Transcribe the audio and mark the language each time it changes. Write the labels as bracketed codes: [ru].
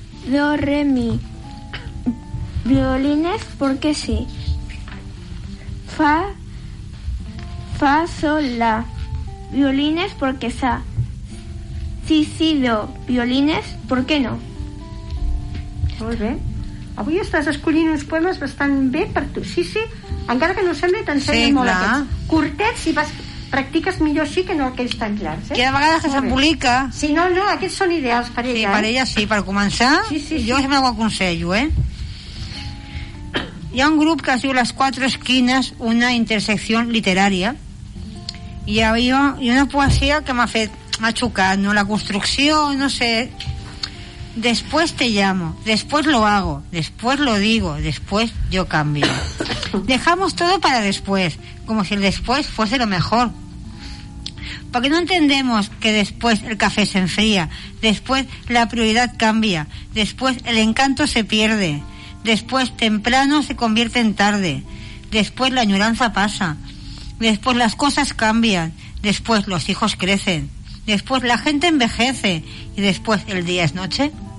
[es] Do, re, mi. Violines, porque sí. Fa, sol, la. Violines, porque sa. Si, do. Violines, ¿por qué no? Muy bien. [ca] Avui estàs escollint uns poemes bastant bé per tu. Sí, sí, encara que no sembli, t'ensenyen sí, molt aquests curtets i vas, practiques millor sí que no aquells tan llargs, eh? Que de vegades que s'embolica. Sí, no, no, aquests són ideals per ella. Sí, per ella, eh? Sí, per començar. Sí, sí, jo sí. Sempre ho aconsello, eh? Hi ha un grup que es diu Les Quatre Esquines, una intersecció literària, i hi ha una poesia que m'ha fet, m'ha xocat, no? La construcció, no sé. [es] Después te llamo, después lo hago, después lo digo, después yo cambio. Dejamos todo para después, como si el después fuese lo mejor. Porque no entendemos que después el café se enfría, después la prioridad cambia, después el encanto se pierde, después temprano se convierte en tarde, después la añoranza pasa, después las cosas cambian, después los hijos crecen, después la gente envejece y después el día es noche.